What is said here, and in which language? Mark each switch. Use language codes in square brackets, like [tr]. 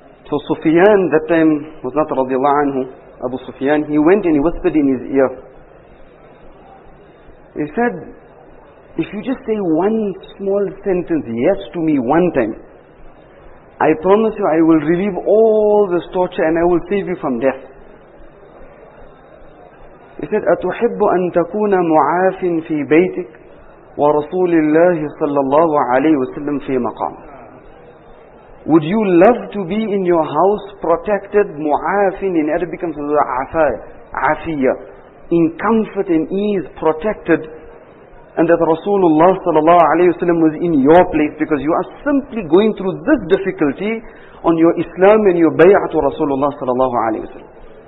[en] So Sufyan, that time, was not radiallahu anhu, Abu Sufyan, he went and he whispered in his ear. He said, if you just say one small sentence, yes to me one time, I promise you I will relieve all this torture and I will save you from death. He said, [ar] أَتُحِبُّ أَن تَكُونَ مُعَافٍ فِي بَيْتِكَ وَرَسُولِ اللَّهِ صَلَّى اللَّهُ عَلَيْهِ وَسَلَّمْ فِي مَقَامٍ. [en] Would you love to be in your house protected, مُعَافٍ, in Arabic comes with عَفِيَّ, in comfort and ease, protected, and that Rasulullah صلى الله عليه وسلم was in your place, because you are simply going through this difficulty on your Islam and your bay'ah to Rasulullah صلى الله عليه وسلم.